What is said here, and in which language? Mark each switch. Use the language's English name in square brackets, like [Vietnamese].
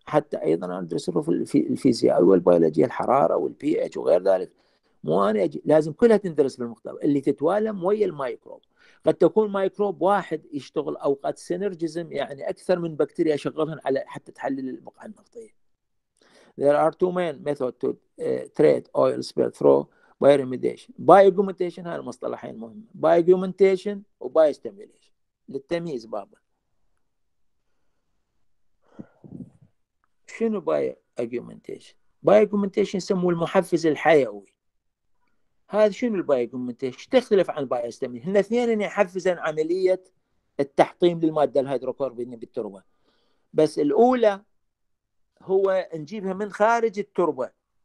[Arabic] حتى أيضا ندرس في الفيزياء والبيولوجيا الحرارة والPH وغير ذلك. مو أنا لازم كلها تندرس بالمختبر اللي تتوالم ويا الميكروب. قد تكون ميكروب واحد يشتغل أو قد سينرجيزم يعني أكثر من بكتيريا شغلهن على حتى تحلل البقع النفطية. [English] There are two main methods to treat oil spill through. [Arabic] بايرميديشن بايجومنتيشن هاي المصطلحين مهمة بايجومنتيشن وبايستيميليشن للتمييز بابا شنو بايجومنتيشن بايجومنتيشن يسموه المحفز الحيوي هذا شنو البايجومنتيشن تختلف عن بايستيميليشن هن اثنين يحفزن عملية التحطيم للمادة الهيدروكربونية بالتربة بس الأولى هو نجيبها من خارج التربة